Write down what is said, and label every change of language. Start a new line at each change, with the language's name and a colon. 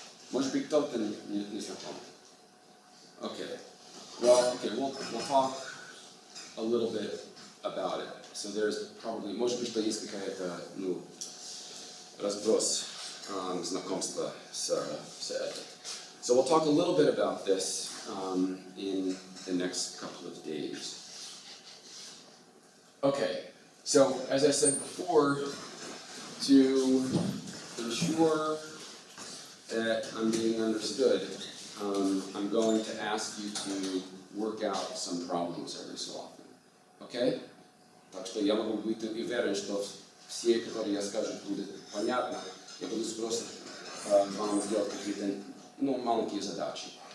Russian: Может быть, кто-то не знаком.
English: Okay. Well, okay, we'll talk a little bit about it. So there's probably,
Russian: может быть, что есть какая-то, ну, разброс знакомства с этим.
English: So we'll talk a little bit about this in the next couple of days. Okay, so as I said before, to ensure that I'm being understood, I'm going to ask you to work out some problems every so often. Okay?
Russian: Так что я могу быть уверен, что все, которые я скажу, будет понятно. Я буду просто вам сделать какие-то, ну, маленькие задачи.